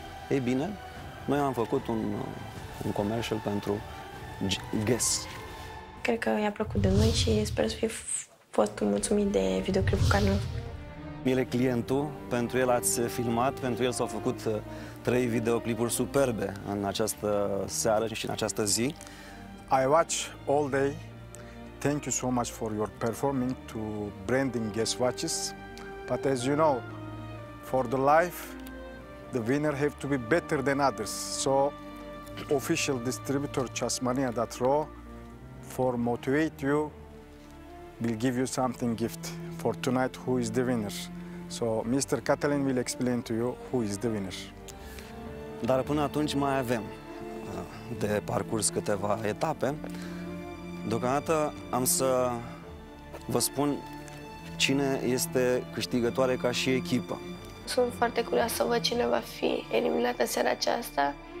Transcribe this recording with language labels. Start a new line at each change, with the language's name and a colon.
Romanian: Ei bine, noi am făcut un commercial pentru Guess. Cred că i-a plăcut de noi și sper să fie fost mulțumit de videoclipul care nu. El e clientul, pentru el ați filmat, pentru el s-au făcut 3 videoclipuri superbe în această seară și în această zi.
English: I watch all day. Thank you so much for your performing to branding Guess Watches. But as you know, for the life, the winner have to be better than others. So, official distributor Ceasmania.ro for motivate you will give you something gift for tonight, who is the winner. So, Mr. Cătălin will explain to you who is the winner.
Romanian: Dar până atunci mai avem de parcurs câteva etape. Deocamdată am să vă spun cine este câștigătoare ca și echipă. Sunt foarte curioasă să văd cine va fi eliminată în seara aceasta